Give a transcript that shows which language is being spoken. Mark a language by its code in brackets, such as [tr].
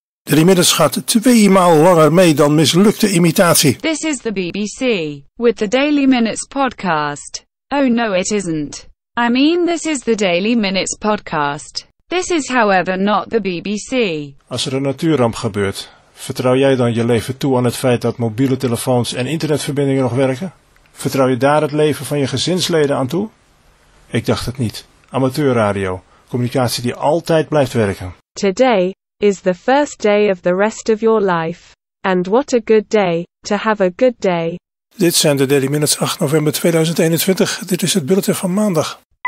[nl] Er inmiddels gaat twee maal langer mee dan mislukte imitatie. [en] This is the BBC, with the Daily Minutes podcast. Oh no, it isn't. I mean, this is the Daily Minutes podcast. This is however not the BBC. [nl] Als er een natuurramp gebeurt, vertrouw jij dan je leven toe aan het feit dat mobiele telefoons en internetverbindingen nog werken? Vertrouw je daar het leven van je gezinsleden aan toe? Ik dacht het niet. Amateurradio, communicatie die altijd blijft werken. [en] Today is the first day of the rest of your life. And what a good day, to have a good day. [nl] Dit zijn de Daily Minutes 8 november 2021. Dit is het bulletin van maandag.